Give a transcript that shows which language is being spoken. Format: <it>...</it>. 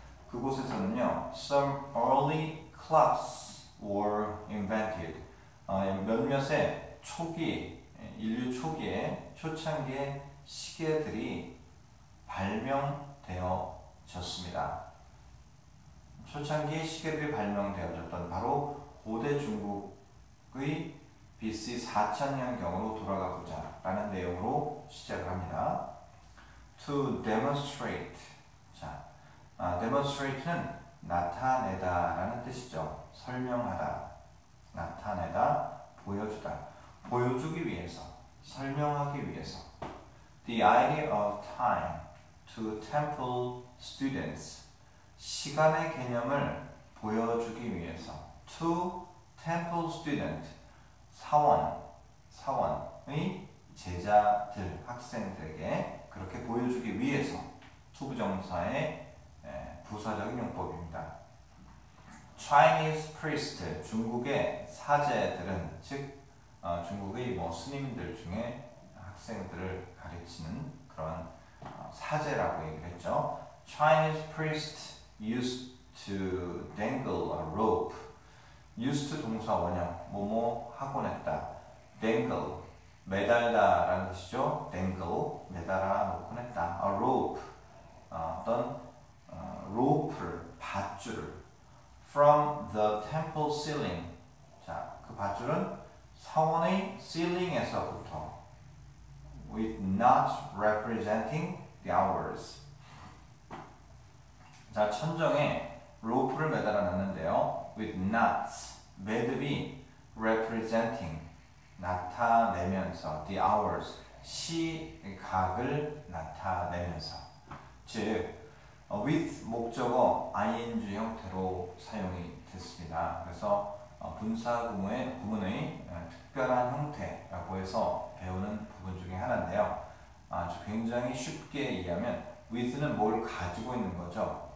<ko>그곳에서는요,</ko> <en>some early clocks were invented.</en> <ko>몇몇의 초기 인류 초기에 초창기에 시계들이 발명되어졌습니다. 초창기에 시계들이 발명되어졌던 바로 고대 중국의 BC 4000년경으로 돌아가고자라는 내용으로 시작을 합니다.</ko> <en>To demonstrate.</en> <ko>자, demonstrate는 나타내다라는 뜻이죠. 설명하다, 나타내다, 보여주다, 보여주기 위해서. 설명하기 위해서.</ko> <en>The idea of time to temple students.</en> <ko>시간의 개념을 보여주기 위해서.</ko> <en>To temple student.</en> <ko>사원의 제자들, 학생들에게 그렇게 보여주기 위해서. to 부정사의 부사적인 용법입니다.</ko> <en>Chinese priest.</en> <ko>중국의 사제들은, 즉, 중국의 뭐 스님들 중에 학생들을 가르치는 그런 사제라고 얘기를 했죠.</ko> <en>Chinese priest used to dangle a rope.</en> <ko>used 동사 원형, 뭐뭐 하곤 했다. dangle, 매달다라는 뜻이죠. dangle, 매달아 놓곤 했다. a rope, 어떤 rope를, 밧줄을.</ko> <en>from the temple ceiling.</en> <ko>자, 그 밧줄은 사원의 ceiling에서부터</ko> <en>with not representing the hours.</en> <ko>자, 천정에 로프를 매달아 놨는데요.</ko> <en>with knots,</en> <ko>매듭이</ko> <en>representing, 나타내면서, the hours,</en> <ko>시각을 나타내면서. 즉, with 목적어 ing 형태로 사용이 됐습니다. 그래서 구문의 특별한 형태라고 해서 배우는 부분 중에 하나인데요. 아주 굉장히 쉽게 얘기하면 with는 뭘 가지고 있는 거죠?</ko>